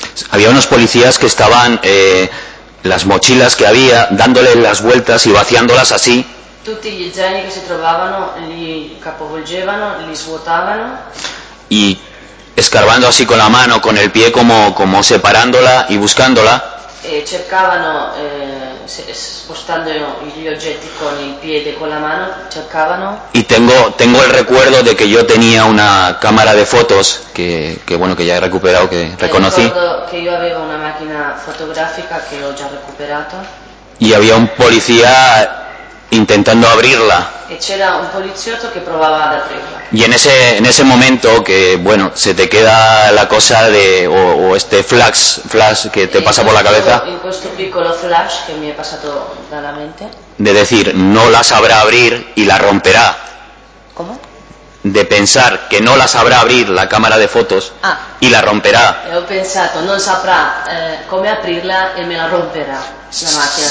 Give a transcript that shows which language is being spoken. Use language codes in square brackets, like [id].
[es] Había unos policías que estaban las mochilas que había dándole las vueltas y vaciándolas así. [it] Tutti gli zaini che si trovavano li capovolgevano, li svuotavano. [es] Y escarbando así con la mano, con el pie, como separándola y buscándola. [it] Cercavano spostando gli oggetti con il piede, con la mano, cercavano. [es] Y tengo el recuerdo de que yo tenía una cámara de fotos que bueno, que ya he recuperado, que reconocí. [it] Ricordo [es] que yo [it] avevo una macchina fotografica che ho già recuperato. [es] Y había un policía intentando abrirla. [it] E c'era un poliziotto che provava ad aprirla. [es] Y en ese momento, que bueno, se te queda la cosa de o este flash que te pasa por la cabeza. [it] En questo piccolo flash che mi è passato dalla mente. [es] De decir, no la sabrá abrir y la romperá. ¿Cómo? De pensar que no la sabrá abrir la cámara de fotos y la romperá. [it] E ho pensato, non saprà come aprirla e me la romperà la macchina